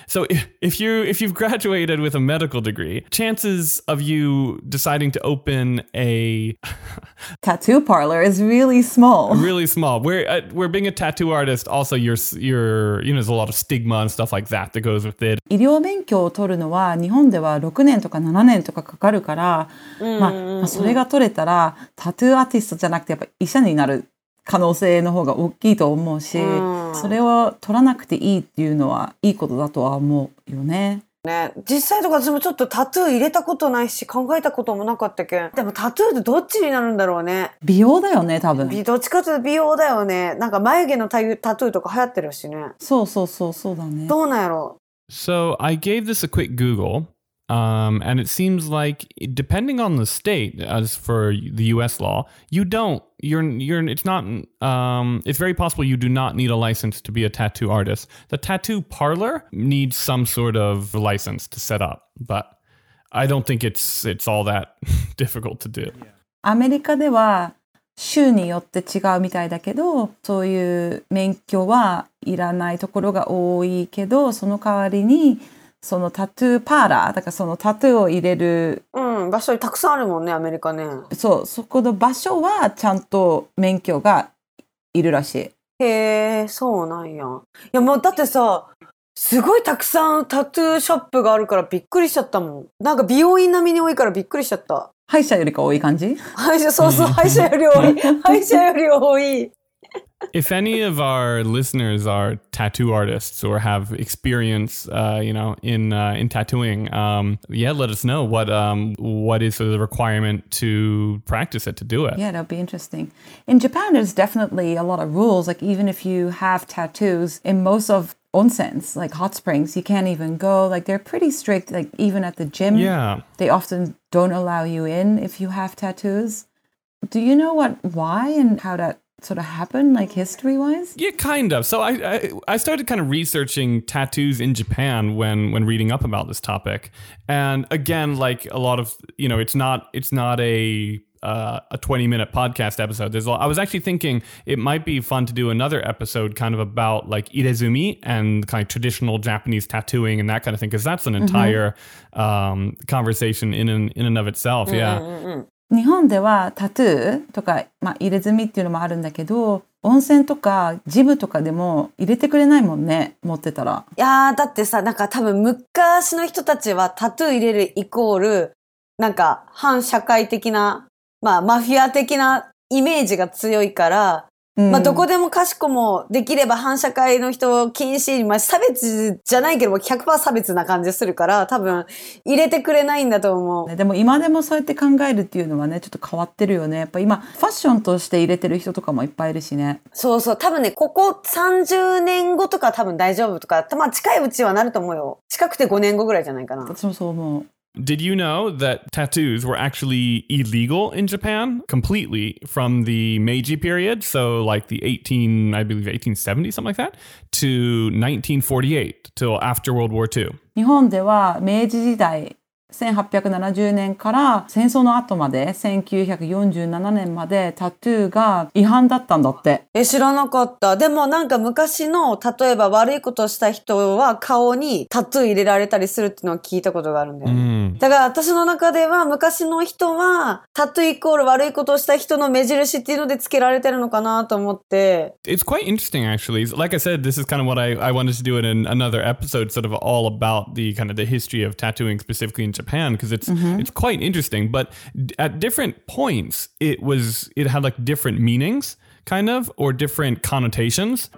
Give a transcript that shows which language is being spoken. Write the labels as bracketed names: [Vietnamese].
[English] So if you've graduated with a medical degree, chances of you deciding to open a tattoo parlor is really small. Really small. Where being a tattoo artist, also you're you know, there's a lot of stigma and stuff like that that goes with it. [Japanese] 医療免許を取るのは日本では6年とか7年とかかかるから、まあそれが取れたらタトゥーアーティストじゃなくてやっぱ医者になる。可能性の方が大きいと思うし、うん、それを取らなくていいっていうのはいいことだとは思うよね。ね、実際とか私もちょっとタトゥー入れたことないし考えたこともなかったけん。でもタトゥーってどっちになるんだろうね。美容だよね、多分。どっちかというと美容だよね。なんか眉毛のタトゥーとか流行ってるしね。そうそうそうそうだね。どうなんやろ。 [English] So I gave this a quick Google. And it seems like, depending on the state, as for the US law, you don't, you're, it's not, it's very possible you do not need a license to be a tattoo artist. The tattoo parlor needs some sort of license to set up, but I don't think it's all that difficult to do. [Japanese] アメリカでは州によって違うみたいだけど、そういう免許はいらないところが多いけど、その代わりにそのタトゥーパーラー、だからそのタトゥーを入れる、うん、場所にたくさんあるもんね、アメリカね。そう、そこの場所はちゃんと免許がいるらしい。へえ、そうなんや。いや、もうだってさ、すごいたくさんタトゥーショップがあるからびっくりしちゃったもん。なんか美容院並みに多いからびっくりしちゃった。歯医者よりか多い感じ？歯医者、そうそう、歯医者より多い。歯医者より多い。 [English] If any of our listeners are tattoo artists or have experience, you know, in tattooing, yeah, let us know what is the requirement to practice it, to do it. Yeah, that'd be interesting. In Japan, there's definitely a lot of rules. Like, even if you have tattoos, in most of onsens, like hot springs, you can't even go. Like, they're pretty strict. Like, even at the gym, yeah, they often don't allow you in if you have tattoos. Do you know what, why and how that sort of happened, like history-wise? Yeah, kind of. So I started kind of researching tattoos in Japan when reading up about this topic. And again, like a lot of, you know, it's not a 20-minute podcast episode. I was actually thinking it might be fun to do another episode kind of about like irezumi and kind of traditional Japanese tattooing and that kind of thing, because that's an entire conversation in and of itself, yeah. Mm-hmm. [Japanese] 日本ではタトゥーとか、まあ、入れ墨っていうのもあるんだけど、温泉とかジムとかでも入れてくれないもんね、持ってたら。いやー、だってさ、なんか多分昔の人たちはタトゥー入れるイコール、なんか反社会的な、まあマフィア的なイメージが強いから、うん、まあどこでもかしこもできれば反社会の人を禁止に、まあ差別じゃないけども 100% 差別な感じするから多分入れてくれないんだと思う。でも今でもそうやって考えるっていうのはね、ちょっと変わってるよね。やっぱ今ファッションとして入れてる人とかもいっぱいいるしね。そうそう、多分ね、ここ30年後とか多分大丈夫とか、まあ近いうちはなると思うよ。近くて5年後ぐらいじゃないかな。私もそう思う。 [English] Did you know that tattoos were actually illegal in Japan completely from the Meiji period, so like the 1870, something like that, to 1948, till after World War II? [Japanese] 日本では明治時代1870年から戦争の後まで1947年までタトゥーが違反だったんだって。え、知らなかった。でもなんか昔の、例えば悪いことした人は顔にタトゥー入れられたりするっていうのは聞いたことがあるんだよ、うん、だから私の中では昔の人はタトゥーイコール悪いことした人の目印っていうのでつけられてるのかなと思って。 [English] It's quite interesting actually. Like I said, this is kind of what I wanted to do in another episode, sort of all about the kind of the history of tattooing specifically inJapan, because it's quite interesting. But at different points, it had like different meanings, kind of, or different connotations.